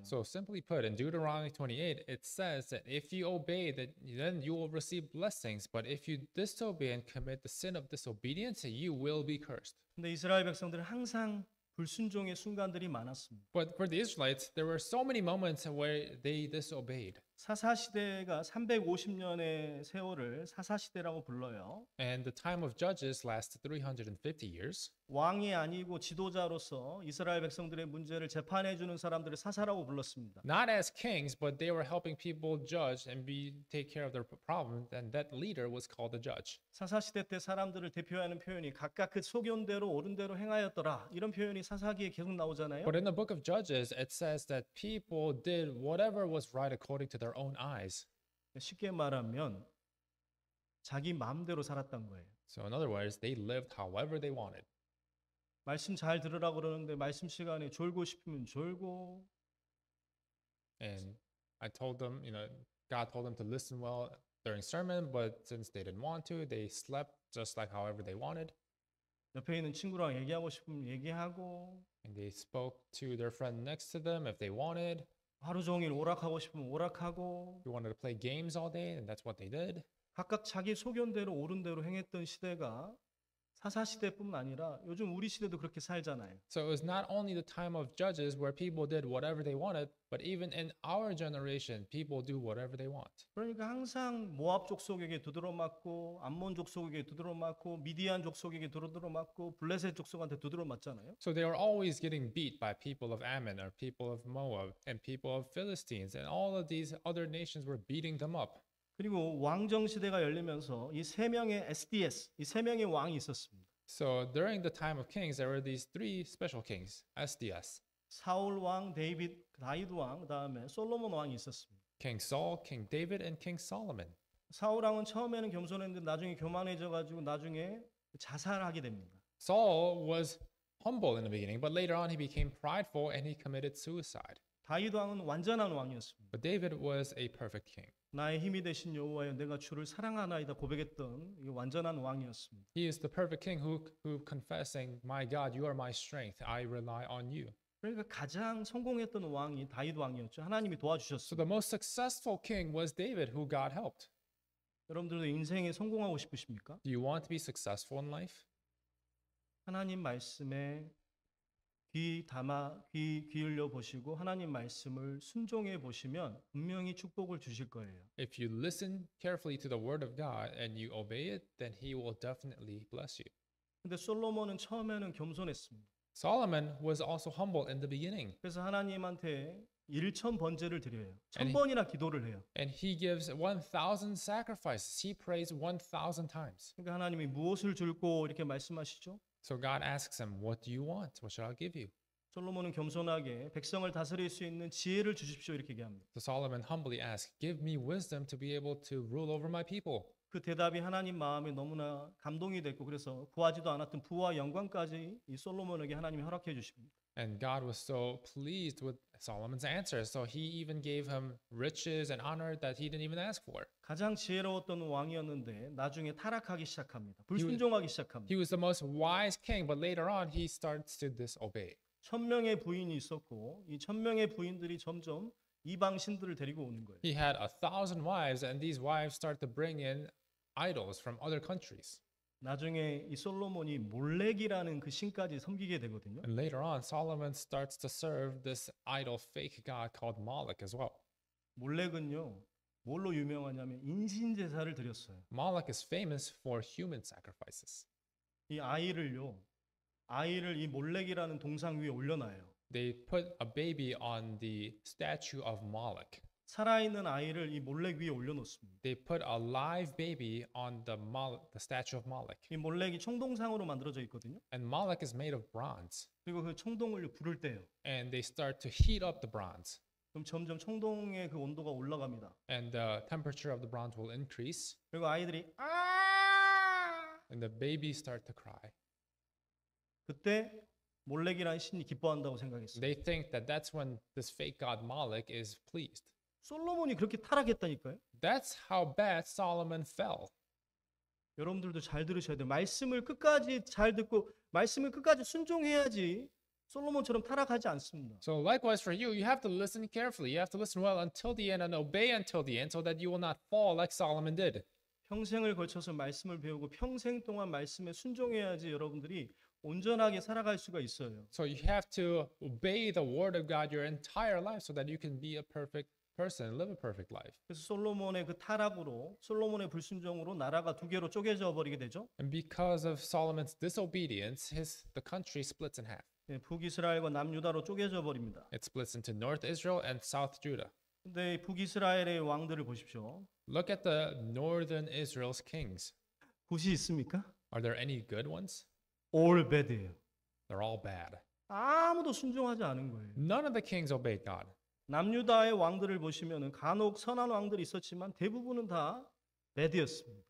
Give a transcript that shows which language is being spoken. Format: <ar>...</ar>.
<en>So simply put, in Deuteronomy 28, it says that if you obey, then you will receive blessings. But if you disobey and commit the sin of disobedience, you will be cursed.</en> <ko>근데 이스라엘 백성들은 항상 불순종의 순간들이 많았습니다.</ko> <en>But for the Israelites, there were so many moments where they disobeyed.</en> <ko>사사 시대가 350년의 세월을 사사 시대라고 불러요.</ko> <en>And the time of judges lasted 350 years.</en> <ko>왕이 아니고 지도자로서 이스라엘 백성들의 문제를 재판해 주는 사람들을 사사라고 불렀습니다.</ko> <en>Not as kings, but they were helping people judge and be take care of their problems, and that leader was called a judge.</en> <ko>사사 시대 때 사람들을 대표하는 표현이 각각 그 소견대로 옳은 대로 행하였더라. 이런 표현이 사사기에 계속 나오잖아요.</ko> <en>But in the book of Judges, it says that people did whatever was right according to their own eyes.</en> <ko>쉽게 말하면 자기 마음대로 살았던 거예요.</ko> <en>So in other words, they lived however they wanted.</en> <ko>말씀 잘 들으라고 그러는데 말씀 시간에 졸고 싶으면 졸고.</ko> <en>And I told them, you know, God told them to listen well during sermon, but since they didn't want to, they slept just like however they wanted.</en> <ko>옆에 있는 친구랑 얘기하고 싶으면 얘기하고.</ko> <en>And they spoke to their friend next to them if they wanted.</en> <ko>하루 종일 오락하고 싶으면 오락하고.</ko> <en>You wanted to play games all day, and that's what they did.</en> <ko>각각 자기 소견대로 옳은 대로 행했던 시대가 사사 시대뿐 아니라 요즘 우리 시대도 그렇게 살잖아요.</ko> <en>So it was not only the time of judges where people did whatever they wanted, but even in our generation, people do whatever they want.</en> <ko>그러니까 항상 모압 족속에게 두드러 맞고 암몬 족속에게 두드러 맞고 미디안 족속에게 두드러 맞고 블레셋 족속한테 두드러 맞잖아요.</ko> <en>So they were always getting beat by people of Ammon or people of Moab and people of Philistines, and all of these other nations were beating them up.</en> <ko>그리고 왕정 시대가 열리면서 이 세 명의 SDS, 이 세 명의 왕이 있었습니다.</ko> <en>So during the time of kings, there were these three special kings, SDS.</en> <ko>사울 왕, 다윗 왕, 그다음에 솔로몬 왕이 있었습니다.</ko> <en>King Saul, King David, and King Solomon.</en> <ko>사울 왕은 처음에는 겸손했는데 나중에 교만해져가지고 나중에 자살하게 됩니다.</ko> <en>Saul was humble in the beginning, but later on he became prideful and he committed suicide.</en> <ko>다윗 왕은 완전한 왕이었습니다.</ko> <en>But David was a perfect king.</en> <ko>나의 힘이 되신 여호와여, 내가 주를 사랑하나이다 고백했던 완전한 왕이었습니다.</ko> <en>He is the perfect king who confessing, "My God, you are my strength. I rely on you."</en> <ko>그러니까 가장 성공했던 왕이 다윗 왕이었죠. 하나님이 도와주셨습니다.</ko> <en>So the most successful king was David, who God helped.</en> <ko>여러분들도 인생에 성공하고 싶으십니까?</ko> <en>Do you want to be successful in life?</en> <ko>하나님 말씀에 귀 담아 귀 열려 보시고 하나님 말씀을 순종해 보시면 분명히 축복을 주실 거예요.</ko> <en>If you listen carefully to the word of God and you obey it, then he will definitely bless you.</en> <ko>근데 솔로몬은 처음에는 겸손했습니다.</ko> <en>Solomon was also humble in the beginning.</en> <ko>그래서 하나님한테 1,000 번제를 드려요. 1,000번이나 기도를 해요.</ko> <en>And he gives 1,000 sacrifices. He prays 1,000 times.</en> <ko>그러니까 하나님이 무엇을 줄고 이렇게 말씀하시죠?</ko> <en>So God asks him, "What do you want? What shall I give you?"</en> <ko>솔로몬은 겸손하게 백성을 다스릴 수 있는 지혜를 주십시오 이렇게 얘기합니다.</ko> <en>So Solomon humbly asks, "Give me wisdom to be able to rule over my people."</en> <ko>그 대답이 하나님 마음에 너무나 감동이 됐고 그래서 구하지도 않았던 부와 영광까지 이 솔로몬에게 하나님이 허락해 주십니다.</ko> <en>And God was so pleased with Solomon's answer, so he even gave him riches and honor that he didn't even ask for.</en> <ko>가장 지혜로웠던 왕이었는데 나중에 타락하기 시작합니다. 불순종하기 시작합니다.</ko> <en>He was the most wise king, but later on he starts to disobey.</en> <ko>1,000명의 부인이 있었고 이 1,000명의 부인들이 점점 이방 신들을 데리고 오는 거예요.</ko> <en>He had 1,000 wives, and these wives start to bring in idols from other countries.</en> <ko>나중에 이 솔로몬이 몰렉이라는 그 신까지 섬기게 되거든요.</ko> <en>And later on, Solomon starts to serve this idol, fake god called Moloch as well.</en> <ko>몰렉은요, 뭘로 유명하냐면 인신 제사를 드렸어요.</ko> <en>Moloch is famous for human sacrifices.</en> <ko>이 아이를요. 아이를 이 몰렉이라는 동상 위에 올려 놔요.</ko> <en>They put a baby on the statue of Moloch.</en> <ko>살아있는 아이를 이 몰렉 위에 올려 놓습니다.</ko> <en>They put a live baby on the statue of Moloch.</en> <ko>이 몰렉이 청동상으로 만들어져 있거든요.</ko> <en>And Moloch is made of bronze.</en> <ko>그리고 그 청동을 불을 때요.</ko> <en>And they start to heat up the bronze.</en> <ko>그럼 점점 청동의 그 온도가 올라갑니다.</ko> <en>And the temperature of the bronze will increase.</en> <ko>그리고 아이들이 아!</ko> <en>And the babies start to cry.</en> <ko>그때 몰렉이라는 신이 기뻐한다고 생각했어요.</ko> <en>They think that that's when this fake god Moloch is pleased.</en> <ko>솔로몬이 그렇게 타락했다니까요.</ko> <en>That's how bad Solomon fell.</en> <ko>여러분들도 잘 들으셔야 돼요. 말씀을 끝까지 잘 듣고 말씀을 끝까지 순종해야지 솔로몬처럼 타락하지 않습니다.</ko> <en>So likewise for you, you have to listen carefully. You have to listen well until the end and obey until the end so that you will not fall like Solomon did.</en> <ko>평생을 걸쳐서 말씀을 배우고 평생 동안 말씀에 순종해야지 여러분들이 온전하게 살아갈 수가 있어요.</ko> <en>So you have to obey the word of God your entire life so that you can be a perfect person, live a perfect life.</en> <ko>그래서 솔로몬의 그 타락으로 솔로몬의 불순종으로 나라가 두 개로 쪼개져 버리게 되죠.</ko> <en>And because of Solomon's disobedience, the country splits in half.</en> <ko>네, 북이스라엘과 남유다로 쪼개져 버립니다.</ko> <en>It splits into North Israel and South Judah.</en> <ko>근데 북이스라엘의 왕들을 보십시오.</ko> <en>Look at the Northern Israel's kings.</en> <ko>굳이 있습니까?</ko> <en>Are there any good ones? All bad. They're all bad.</en> <ko>아무도 순종하지 않은 거예요.</ko> <en>None of the kings obeyed God.</en> <ko>남유다의 왕들을 보시면은 간혹 선한 왕들이 있었지만 대부분은 다</ko> <en>bad</en> <ko>였습니다.</ko>